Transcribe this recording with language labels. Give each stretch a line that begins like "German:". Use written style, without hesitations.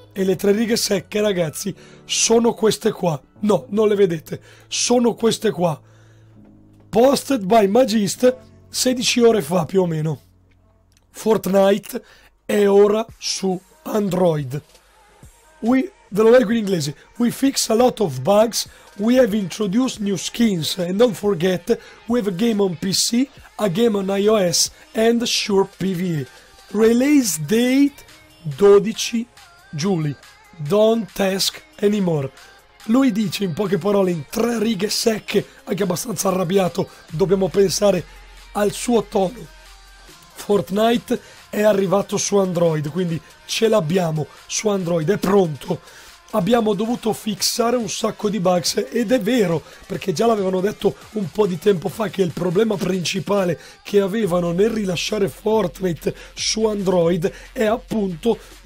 Italian: E le tre righe secche, ragazzi, sono queste qua. No, non le vedete. Sono queste qua. Posted by Magist 16 ore fa, più o meno. Fortnite è ora su Android.
English: Ve lo leggo in inglese. We fix a lot of bugs. We have introduced new skins. And don't forget, we have a game on PC, a game on iOS, and sure PVE. Release date 12 Giuli, don't ask anymore.
Italian: Lui dice in poche parole, in tre righe secche, anche abbastanza arrabbiato, dobbiamo pensare al suo tono. Fortnite è arrivato su Android, quindi ce l'abbiamo su Android, è pronto. Abbiamo dovuto fixare un sacco di bugs ed è vero, perché già l'avevano detto un po' di tempo fa che il problema principale che avevano nel rilasciare Fortnite su Android è appunto